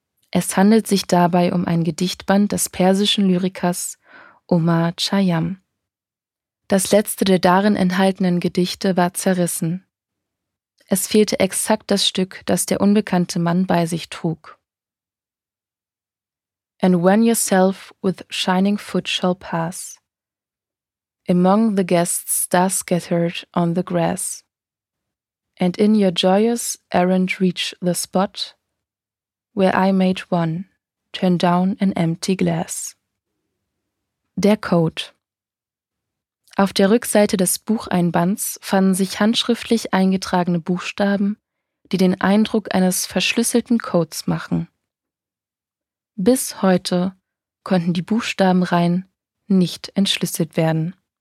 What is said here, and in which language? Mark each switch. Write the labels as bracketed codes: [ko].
[de] Es handelt sich dabei um ein Gedichtband des persischen Lyrikers Omar Chayam. Das letzte der darin enthaltenen Gedichte war zerrissen. Es fehlte exakt das Stück, das der unbekannte Mann bei sich trug. [en] And when yourself with shining foot shall pass, among the guests thus scattered on the grass, and in your joyous errand reach the spot where I made one, turn down an empty glass. [de] Der Code. Auf der Rückseite des Bucheinbands fanden sich handschriftlich eingetragene Buchstaben, die den Eindruck eines verschlüsselten Codes machen. Bis heute konnten die Buchstabenreihen nicht entschlüsselt werden.